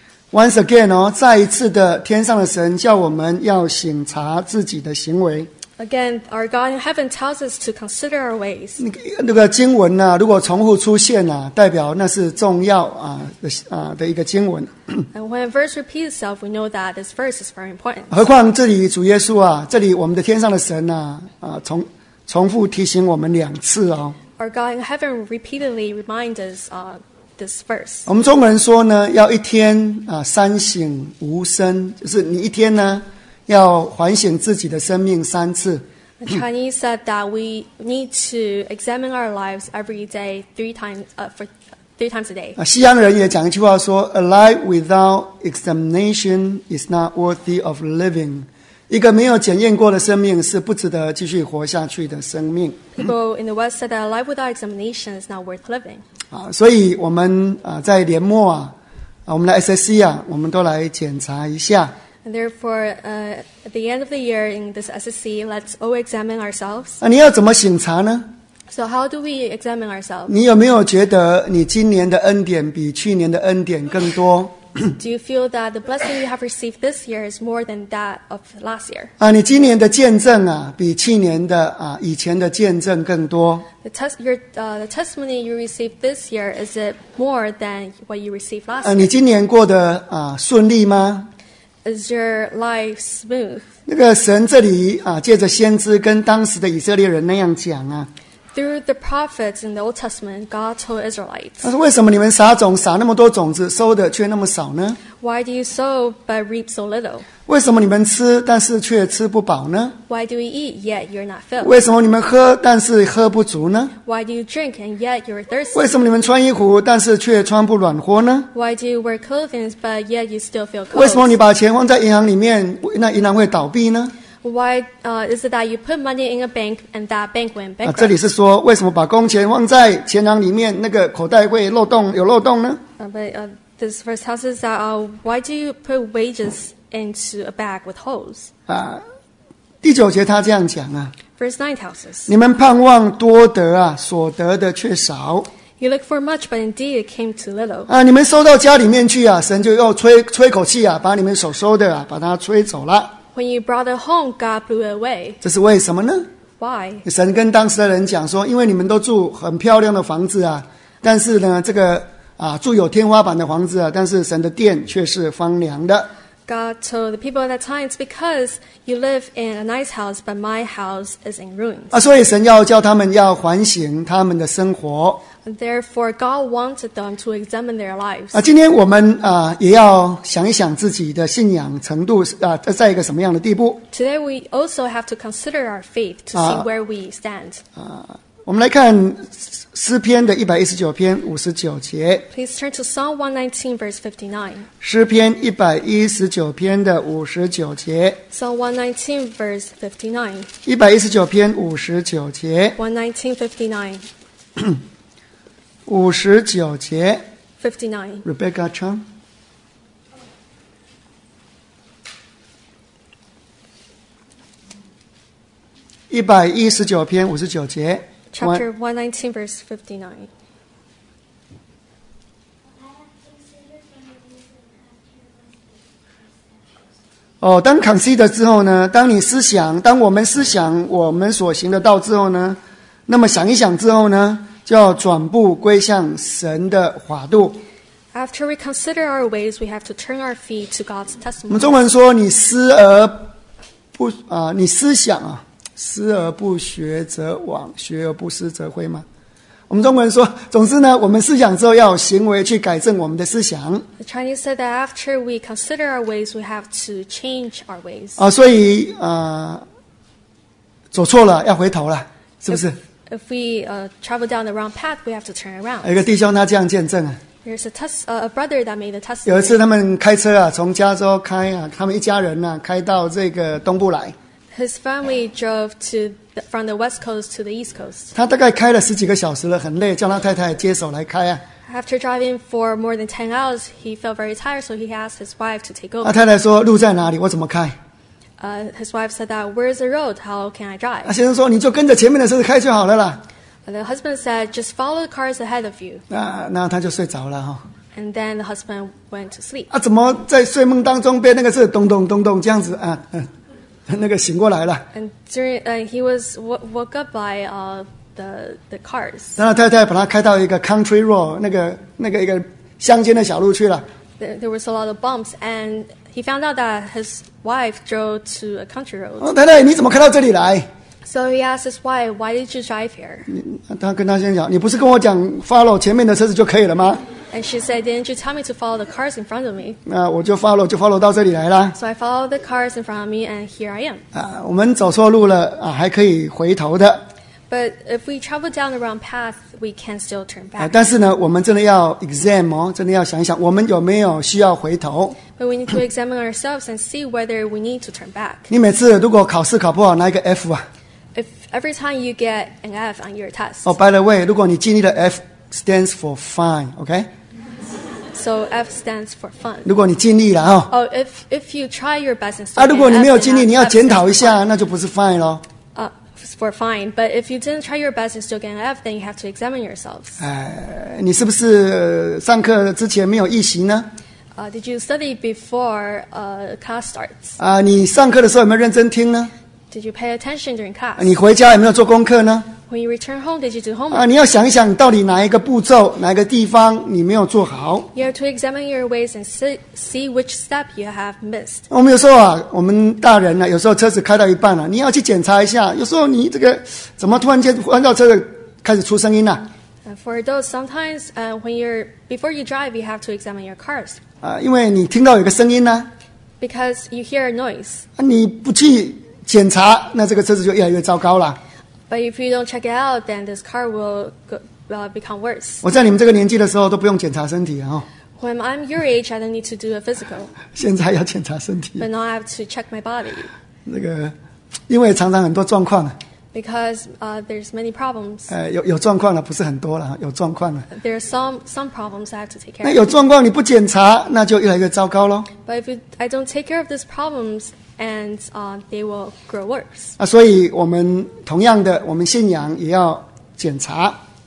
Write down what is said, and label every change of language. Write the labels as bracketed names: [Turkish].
[English] Once again, [Chinese] 再一次的天上的神叫我们要省察自己的行为。 [English] Again, our God in heaven tells us to consider our ways. [Chinese] 那个经文呢，如果重复出现代表那是重要的一个经文。 [English] And when a verse repeats itself, we know that this verse is very important. [Chinese] 何况这里主耶稣这里我们的天上的神重复提醒我们两次哦。 [English] Our God in heaven repeatedly reminds us, This verse. [Chinese] 我们中国人说呢，要一天三省吾身，就是你一天呢要反省自己的生命三次。 [English] The Chinese said that we need to examine our lives every day three times a day. [Chinese] 西洋人也讲一句话说 [English] ，A life without examination is not worthy of living. [Chinese] 一个没有检验过的生命是不值得继续活下去的生命。 [English] People in the West said that a life without examination is not worth living. [Chinese] 所以我们在年末我们的 SSC 我们都来检查一下。 [English] Therefore, at the end of the year in this SSC, let's all examine ourselves. [Chinese] 你要怎么省察呢 [English] ？So how do we examine ourselves? [Chinese] 你有没有觉得你今年的恩典比去年的恩典更多 [English] ？Do you feel that the blessing you have received this year is more than that of last year? [Chinese] 你今年的见证比去年的以前的见证更多。 [English] The testimony you received this year, is it more than what you received last year? [Chinese] 你今年过得顺利吗？ [English] Is your life smooth? [Chinese] 那个神这里啊，借着先知跟当时的以色列人那样讲啊。 [English] Through the prophets in the Old Testament, God told Israelites. [Chinese] 他说：“为什么你们撒种撒那么多种子，收的却那么少呢 [English] ？”Why do you sow but reap so little？ [Chinese] 为什么你们吃但是却吃不饱呢 [English] ？Why do you eat yet you're not filled？ [Chinese] 为什么你们喝但是喝不足呢 [English] ？Why do you drink and yet you're thirsty？ [Chinese] 为什么你们穿衣服但是却穿不暖和呢 [English] ？Why do you wear clothing but yet you still feel cold？ [Chinese] 为什么你把钱放在银行里面，那银行会倒闭呢？ [English] Why is it that you put money in a bank and that bank went bankrupt? [Chinese] 这里是说为什么把工钱放在钱囊里面，那个口袋会漏洞，有漏洞呢？ [English] This verse tells us that why do you put wages into a bag with holes? [Chinese] 第九节他这样讲啊。 [English] Verse 9 tells us. [Chinese] 你们盼望多得啊，所得的却少。 [English] You look for much, but indeed it came to little. [Chinese] 你们收到家里面去啊，神就要吹口气啊，把你们所收的啊，把它吹走了。 [English] When you brought it home, God blew it away. [Chinese] 这是为什么呢 [English] ？Why？ [Chinese] 神跟当时的人讲说，因为你们都住很漂亮的房子啊，但是呢，这个住有天花板的房子啊，但是神的殿却是荒凉的。 [English] God told the people at that time, it's because you live in a nice house, but my house is in ruins. [Chinese] 所以神要叫他们要反省他们的生活。 [English] Therefore, God wanted them to examine their lives. [Chinese] 今天我们也要想一想自己的信仰程度在一个什么样的地步。 [English] Today, we also have to consider our faith to see where we stand. [Chinese] 我们来看诗篇的119篇59节。 [English] Please turn to Psalm 119, verse 59. [Chinese] 诗篇119篇的59节。 [English] Psalm 119, verse 59. [Chinese] 119篇59节。 [English] 119, 59. [Chinese] 五十九节 [English] 59. [Chinese] Rebecca Chung 一百一十九篇五十九节 [English] Chapter 119 verse 59 [Chinese] 当 consider 之后呢，当你思想，当我们思想我们所行的道之后呢，那么想一想之后呢，就要转步归向神的法度。 [English] After we consider our ways, we have to turn our feet to God's testimony. [Chinese] 我们中文说你思而不你思想啊，思而不学则罔，学而不思则亏吗？我们中文说，总之呢，我们思想之后要有行为去改正我们的思想。 [English] The Chinese said that after we consider our ways, we have to change our ways. [Chinese] 所以走错了要回头了，是不是？ [English] If we travel down the wrong path, we have to turn around. [Chinese] 有一个弟兄他这样见证啊。 [English] There's a brother that made a testimony. [Chinese] 有一次他们开车啊，从加州开啊，他们一家人啊，开到这个东部来。 [English] His family drove to from the west coast to the east coast. [Chinese] 他大概开了十几个小时了，很累，叫他太太接手来开啊。 [English] After driving for more than 10 hours, he felt very tired, so he asked his wife to take over. [Chinese] 太太说：“路在哪里？我怎么开？” [English] His wife said that, where's the road? How can I drive? [Chinese] 先生说你就跟着前面的车子开就好了啦。 [English] The husband said, just follow the cars ahead of you. [Chinese] 那他就睡着了。 [English] And then the husband went to sleep. [Chinese] 怎么在睡梦当中被那个车咚咚咚咚这样子那个醒过来了。 [English] And during, he was woke up by the cars. [Chinese] 然后太太把他开到一个 [English] country road, [Chinese] 那个一个乡间的小路去了。 [English] There was a lot of bumps and he found out that his wife drove to a country road. [Chinese] 太太，你怎么开到这里来 [English] ？So he asked his wife, "Why did you drive here?" [Chinese] 他跟他先讲，你不是跟我讲 follow 前面的车子就可以了吗 [English] ？And she said, "Didn't you tell me to follow the cars in front of me?" [Chinese] 那我就 follow 到这里来了。 [English] So I followed the cars in front of me, and here I am. [Chinese] 我们走错路了还可以回头的。 [English] But if we travel down the wrong path, we can still turn back. [Chinese] 但是呢，我们真的要 exam 真的要想一想，我们有没有需要回头。 [English] But we need to examine ourselves and see whether we need to turn back. [Chinese] 你每次如果考试考不好，拿一个 F 啊。 [English] If every time you get an F on your test. Oh, by the way, [Chinese] 如果你经历了 [English] F stands for fine, okay? So F stands for fun. [Chinese] 如果你经历了 [English] if you try your best and still. [Chinese] 如果你没有经历，你要检讨一下，那就不是 fine 咯。 [English] For fine, but if you didn't try your best and still get an F, then you have to examine yourselves. [Chinese] 你是不是上课之前没有预习呢？ [English] Did you study before class starts? [Chinese] 你上课的时候有没有认真听呢 [English] ？Did you pay attention during class? [Chinese] 你回家有没有做功课呢 [English] When you return home, did you do homework? [Chinese] 你要想一想到底哪一个步骤、哪一个地方你没有做好。 [English] You have to examine your ways and see which step you have missed. [Chinese] 我们有时候啊，我们大人啊，有时候车子开到一半了、啊，你要去检查一下。有时候你这个怎么突然间弯到车子开始出声音了、 [English] 啊、？For those, sometimes, when you're before you drive, you have to examine your cars. [Chinese] 因为你听到有个声音呢、啊。 [English] Because you hear a noise. [Chinese] 你不去检查，那这个车子就越来越糟糕了。 [English] But if you don't check it out, then this car will become worse. [Chinese] 我在你们这个年纪的时候都不用检查身体、哦、 [English] When I'm your age, I don't need to do a physical. [Chinese] 现在要检查身体。 [English] But now I have to check my body. [Chinese] 那个，因为常常很多状况。 [English] Because there's many problems. [Chinese] 有状况了，不是很多了，有状况了。 [English] There are some problems I have to take care of. [Chinese] 那有状况你不检查，那就越来越糟糕喽。 [English] But if I don't take care of these problems, and they will grow worse. [Chinese] 所以我们同样的，我们信仰也要检查。